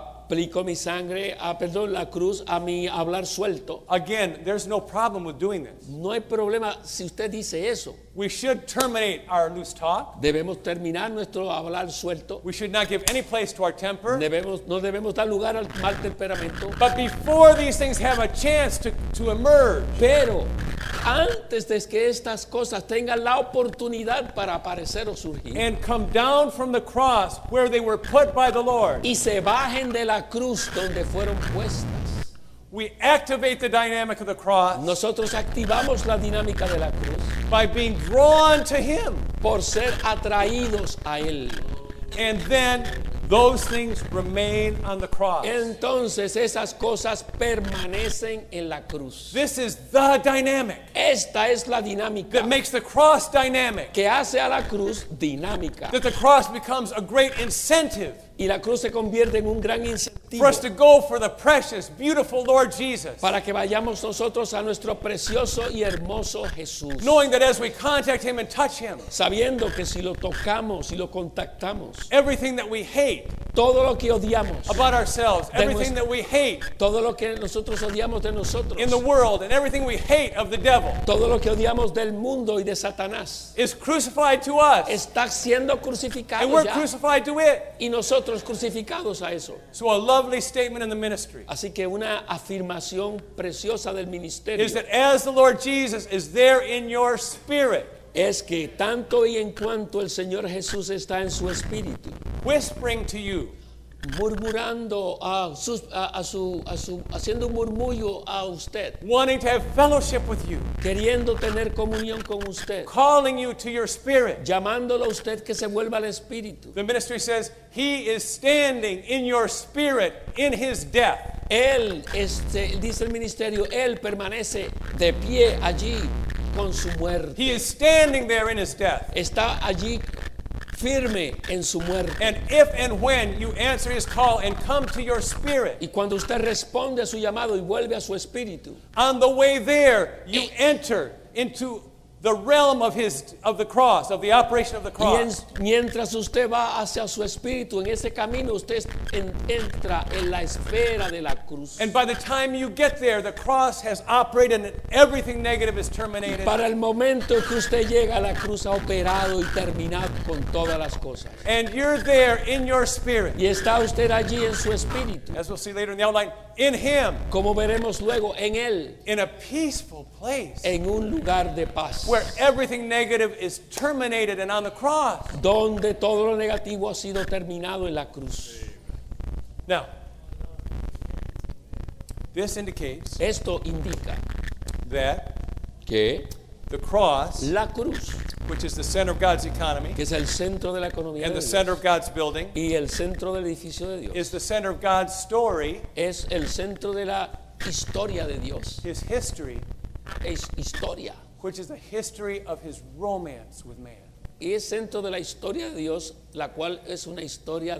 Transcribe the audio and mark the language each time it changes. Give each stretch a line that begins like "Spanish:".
Spanish: Aplico mi sangre, perdón, la cruz a mi hablar suelto.
English: Again, there's no problem with doing this.
Spanish: No hay problema si usted dice eso.
English: We should terminate our loose talk.
Spanish: Debemos terminar nuestro hablar suelto.
English: We should not give any place to our temper.
Spanish: No debemos dar lugar al mal temperamento.
English: But before these things have a chance to emerge.
Spanish: Pero antes de que estas cosas tengan la oportunidad para aparecer o surgir.
English: And come down from the cross where they were put by the Lord.
Spanish: Y se bajen de la cruz donde fueron puestas.
English: We activate the dynamic of the cross.
Spanish: Nosotros activamos la dinámica de la cruz.
English: By being drawn to him.
Spanish: Por ser atraídos a él.
English: And then those things remain on the cross.
Spanish: Entonces esas cosas permanecen en la cruz.
English: This is the dynamic.
Spanish: Esta es la dinámica.
English: That makes the cross dynamic.
Spanish: Que hace a la cruz dinámica.
English: That the cross becomes a great incentive.
Spanish: Y la cruz se convierte en un gran incentivo.
English: For us to go for the precious, beautiful Lord Jesus.
Spanish: Para que vayamos nosotros a nuestro precioso y hermoso Jesús.
English: Knowing that as we contact him and touch him.
Spanish: Sabiendo que si lo tocamos y lo contactamos.
English: Everything that we hate.
Spanish: Todo lo que odiamos.
English: About ourselves. Everything that we hate.
Spanish: Todo lo que nosotros odiamos de nosotros.
English: In the world and everything we hate of the devil.
Spanish: Todo lo que odiamos del mundo y de Satanás.
English: Is crucified to us.
Spanish: Está siendo crucificado ya.
English: And we're crucified to it.
Spanish: Y nosotros crucificados a eso.
English: So a lovely statement in the ministry.
Spanish: Así que una afirmación preciosa del ministerio.
English: Is that as the Lord Jesus is there in your spirit.
Spanish: Es que tanto y en cuanto el Señor Jesús está en su espíritu.
English: Whispering to you.
Spanish: Murmurando haciendo un murmullo a usted.
English: Wanting to have fellowship with you.
Spanish: Queriendo tener comunión con usted.
English: Calling you to your spirit.
Spanish: Llamándolo a usted que se vuelva al espíritu.
English: The ministry says he is standing in your spirit in his death.
Spanish: Él dice el ministerio, él permanece de pie allí con su muerte.
English: He is standing there in his death.
Spanish: Está allí firme en su muerte.
English: And if and when you answer his call and come to your spirit.
Spanish: Y cuando usted responde a su llamado y vuelve a su espíritu.
English: On the way there you enter into the realm of his of the cross, of the operation of the cross.
Spanish: Y mientras usted va hacia su espíritu, en ese camino usted entra en la esfera de la cruz.
English: And by the time you get there, the cross has operated and everything negative is terminated.
Spanish: Y para el momento que usted llega, la cruz ha operado y terminado con todas las cosas.
English: And you're there in your spirit.
Spanish: Y está usted allí en su espíritu.
English: As we'll see later in the outline, in him.
Spanish: Como veremos luego, en él.
English: In a peaceful place.
Spanish: En un lugar de paz.
English: Where everything negative is terminated and on the cross.
Spanish: Donde todo lo negativo ha sido terminado en la cruz.
English: Now, this indicates
Spanish: esto indica
English: that
Spanish: que
English: the cross,
Spanish: la cruz,
English: which is the center of God's economy,
Spanish: que es el centro de la economía
English: and
Spanish: de
English: the
Spanish: Dios,
English: center of God's building,
Spanish: y el centro del edificio de Dios,
English: is the center of God's story,
Spanish: es el centro de la historia de Dios,
English: his history,
Spanish: es historia,
English: which is the history of his romance with man.
Spanish: Y es centro de la historia de Dios, la cual es una historia de